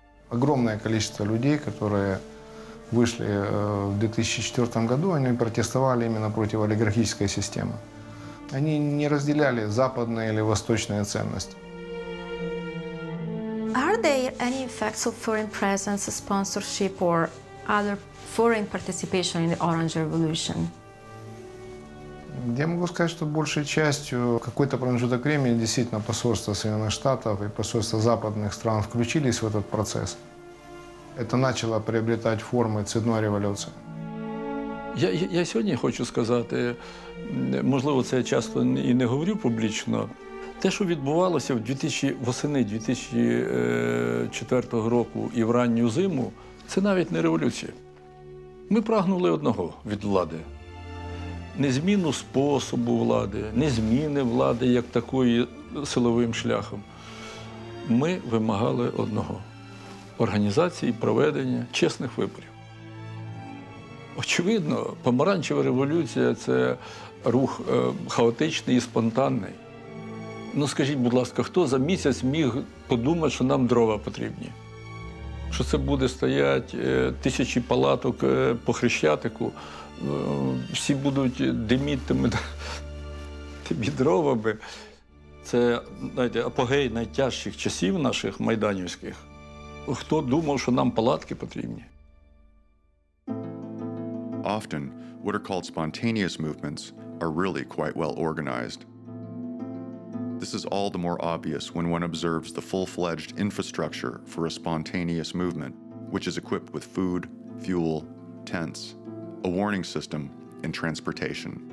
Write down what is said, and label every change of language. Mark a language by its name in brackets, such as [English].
[Russian] Огромное количество людей, которые вышли в 2004 году, они протестовали именно против олигархической системы. Они не разделяли западные или восточные ценности. [English] Are there any effects of foreign presence, sponsorship or other foreign participation in the Orange Revolution? [Russian] Я могу сказать, что большей частью какой-то промежуток времени действительно посольство Соединенных Штатов и посольство западных стран включились в этот процесс. Это начало приобретать формы цветной революции. [Ukrainian] Я сьогодні хочу сказати, можливо, це я часто і не говорю публічно, те, що відбувалося восени 2004 року і в ранню зиму, це навіть не революція. Ми прагнули одного від влади. Не зміну способу влади, не зміни влади як такої силовим шляхом. Ми вимагали одного – організації проведення чесних виборів. Очевидно, помаранчева революція – це рух хаотичний і спонтанний. Ну, скажіть, будь ласка, хто за місяць міг подумати, що нам дрова потрібні? Що це буде стояти тисячі палаток по Хрещатику, всі будуть димітими тими дровами? Це, знаєте, апогей найтяжчих часів наших майданівських. Хто думав, що нам палатки потрібні? [English] Often, what are called spontaneous movements are really quite well organized. This is all the more obvious when one observes the full-fledged infrastructure for a spontaneous movement, which is equipped with food, fuel, tents, a warning system, and transportation.